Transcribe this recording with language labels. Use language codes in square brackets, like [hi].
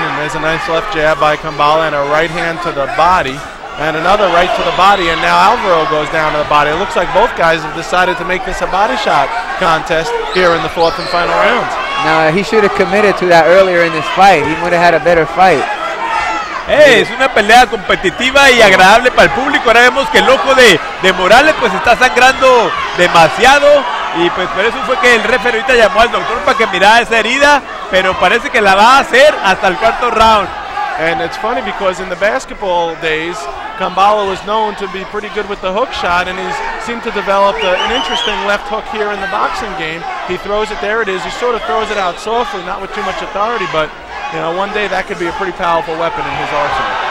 [en] And there's a nice left jab by Kambala and a right hand to the body. And another right to the body, and now Alvaro goes down to the body. It looks like both guys have decided to make this a body shot contest here in the fourth and final round. Now, he should have committed to that earlier in this fight. He would have had a better fight. [es] Hey, es una pelea competitiva y agradable para el público. Ahora vemos que el ojo de Morales pues está sangrando demasiado. Y pues por eso fue que el referee ahorita llamó al doctor para que mirara esa herida. Pero parece que la va a hacer hasta el cuarto round. [en] And it's funny because in the basketball days, Kambala was known to be pretty good with the hook shot, and he's seemed to develop an interesting left hook here in the boxing game. He throws it, there it is. He sort of throws it out softly, not with too much authority, but you know, one day that could be a pretty powerful weapon in his arsenal.